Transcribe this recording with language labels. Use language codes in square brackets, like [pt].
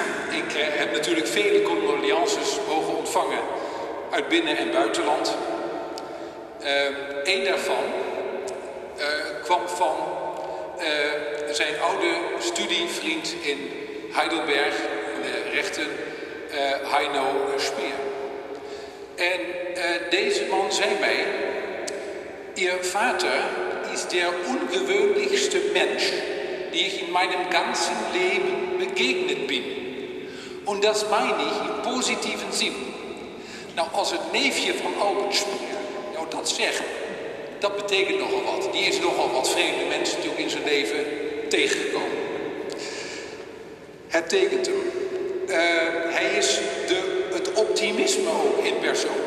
[nl] Ik heb natuurlijk vele condolences mogen ontvangen uit binnen- en buitenland. Eén daarvan kwam van zijn oude studievriend in Heidelberg, in de rechten, Heino Speer. En deze man zei mij: [de] "Ihr vader is der ungewöhnlichste Mensch, die ich in meinem ganzen Leben begegnet bin. Und das meine ich in positiven Sinn." [nl] Nou, als het neefje van Albert Speer jou dat zegt, dat betekent nogal wat. Die is nogal wat vreemde mensen natuurlijk in zijn leven tegengekomen. Het tekent hem. Hij is het optimisme ook in persoon.